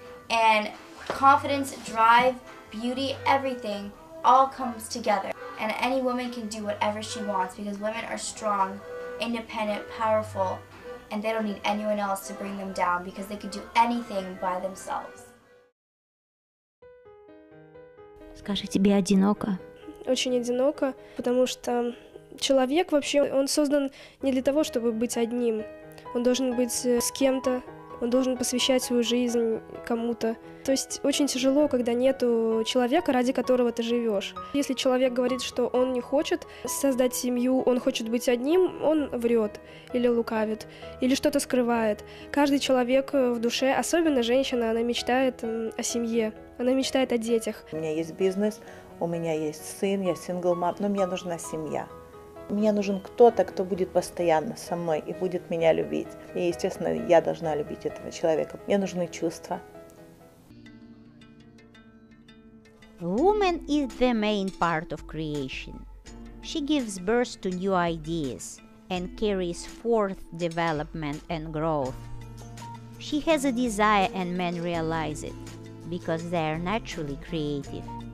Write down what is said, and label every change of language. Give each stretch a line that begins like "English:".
English: And confidence, drive, beauty, everything all comes together. And any woman can do whatever she wants because women are strong, independent, powerful, and they don't need anyone else to bring them down because they can do anything by themselves.
Russian: Скажи, тебе одиноко? Очень одиноко, потому что человек вообще, он создан не для того, чтобы быть одним. Он должен быть с кем-то, он должен посвящать свою жизнь кому-то. То есть очень тяжело, когда нету человека, ради которого ты живешь. Если человек говорит, что он не хочет создать семью, он хочет быть одним, он врет или лукавит, или что-то скрывает. Каждый человек в душе, особенно женщина, она мечтает о семье, она мечтает о детях. У меня есть бизнес, у меня есть сын, я сингл-мам, но мне нужна семья. Мне нужен кто-то, кто будет постоянно со мной и будет меня любить. И, естественно, я должна любить этого человека. Мне нужны чувства.
English: Woman is the main part of creation. She gives birth to new ideas and carries forth development and growth. She has a desire and men realize it because they are naturally creative.